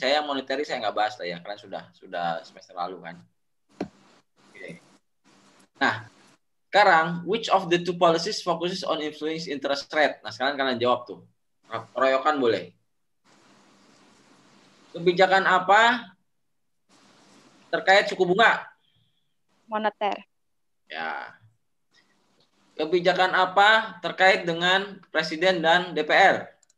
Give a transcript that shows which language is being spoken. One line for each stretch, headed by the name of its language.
Indonesian: Saya yang monetary saya nggak bahas lah ya, karena sudah semester lalu kan.
English: Okay.
Indonesian: Nah, sekarang,
English: which of the two policies focuses on influence interest rate?
Indonesian: Nah, sekarang kalian jawab tuh. Royokan boleh. Kebijakan apa terkait suku bunga? Moneter. Ya. Kebijakan apa terkait dengan presiden dan DPR?